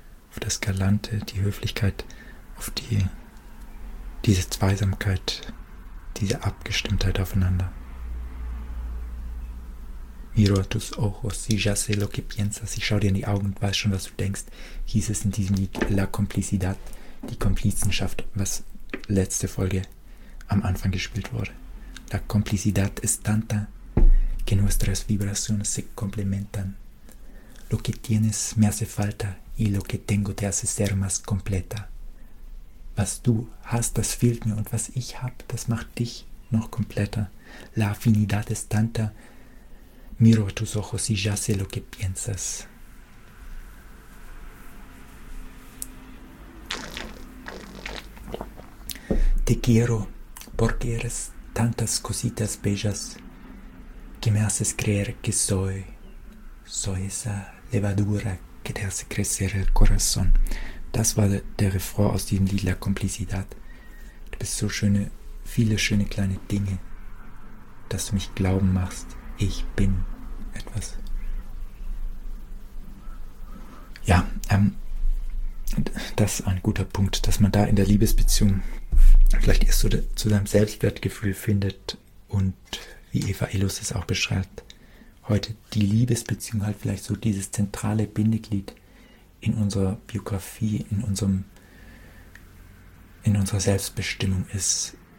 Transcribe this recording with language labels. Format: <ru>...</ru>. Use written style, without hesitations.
<de>Auf das Galante, die Höflichkeit, auf diese Zweisamkeit, diese Abgestimmtheit aufeinander.</de> <es>Miro tus ojos, si ya sé lo que piensas,</es> <de>ich schau dir in die Augen und weiß schon, was du denkst, hieß es in diesem Lied La Complicidad, die Komplizenschaft, was letzte Folge am Anfang gespielt wurde.</de> <es>La Complicidad es tanta que nuestras vibraciones se complementan. Lo que tienes me hace falta y lo que tengo te hace ser más completa.</es> <de>Was du hast, das fehlt mir und was ich hab, das macht dich noch kompletter.</de> <es>La Affinidad es tanta. Miro a tus ojos y ya sé lo que piensas. Te quiero porque eres tantas cositas bellas que me haces creer que soy esa levadura que te hace crecer el corazón.</es> <de>Das war der Refrain aus diesem Lied La Complicidad. Du bist so schöne, viele schöne kleine Dinge, dass du mich glauben machst, ich bin etwas. Ja, das ist ein guter Punkt, dass man da in der Liebesbeziehung vielleicht erst so zu seinem Selbstwertgefühl findet und wie Eva Illus es auch beschreibt, heute die Liebesbeziehung halt vielleicht so dieses zentrale Bindeglied in unserer Biografie, in unserer Selbstbestimmung ist.</de>